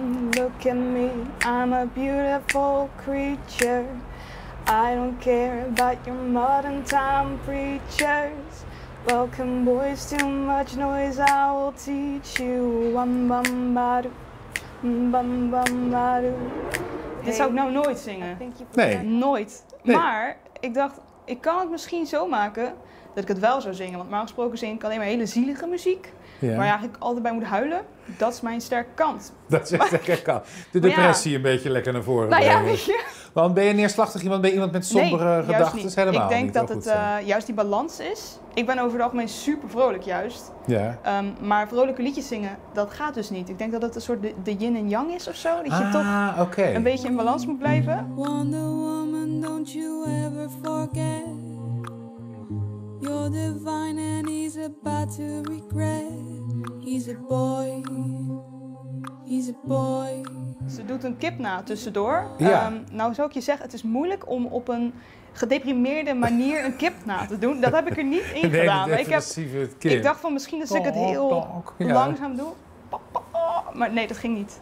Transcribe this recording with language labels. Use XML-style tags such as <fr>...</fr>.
<en>Look at me, I'm a beautiful creature. I don't care about your modern time preachers. Welcome boys, too much noise, I will teach you. Bam bam badu, bam bam badu.</en> <nl>Dit zou ik nou nooit zingen. Nee. Nooit. Nee. Maar ik dacht, ik kan het misschien zo maken dat ik het wel zou zingen. Want normaal gesproken zing ik alleen maar hele zielige muziek. Ja. Waar je eigenlijk altijd bij moet huilen, dat is mijn sterke kant. Dat is je sterke kant. De depressie een beetje lekker naar voren. Nou ja, weet je. Want ben je neerslachtig iemand? Ben je iemand met sombere gedachten? Nee, juist niet. Ik denk dat het juist die balans is. Ik ben over het algemeen super vrolijk juist. Ja. Maar vrolijke liedjes zingen, dat gaat dus niet. Ik denk dat het een soort de yin en yang is of zo. Dat je toch een beetje in balans moet blijven.</nl> <en>Wonder Woman, don't you ever forget. You're divine and he's about to regret. He's a boy. He's a boy.</en> <nl>Ze doet een kip na tussendoor. Ja. Nou zou ik je zeggen, het is moeilijk om op een gedeprimeerde manier een kip na te doen. Dat heb ik er niet in gedaan. Nee, depressieve kip. Ik dacht van misschien dat ik het heel langzaam doe. Maar nee, dat ging niet.</nl>